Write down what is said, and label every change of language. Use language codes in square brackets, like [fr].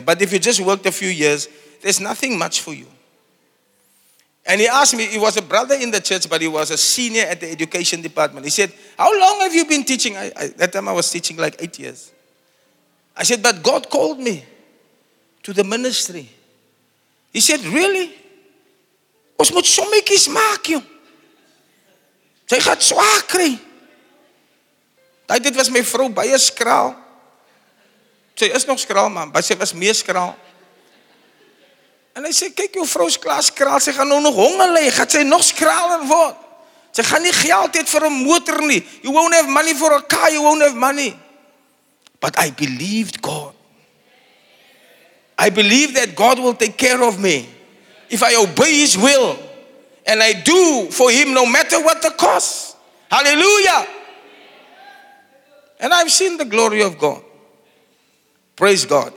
[en] But if you just worked a few years, there's nothing much for you. And he asked me, he was a brother in the church, but he was a senior at the education department. He said, how long have you been teaching? That time I was teaching like 8 years. I said, but God called me to the ministry. He said, really? [af] Ons moet sommetjies maak, jong. Jy gaat swaar kry. Dit was my vrou baie skraal. Sy is nog skraal, man, maar sy was meer skraal. En hy sê, kyk jou vrou's klas skraal, sy gaan nou nog honger lê, gaan sy nog skraaler word. Sy gaan nie geld hê vir 'n motor nie. [en] You won't have money for a car, you won't have money. But I believed God. I believe that God will take care of me. If I obey his will, and I do for him no matter what the cost. Hallelujah! And I've seen the glory of God. Praise God.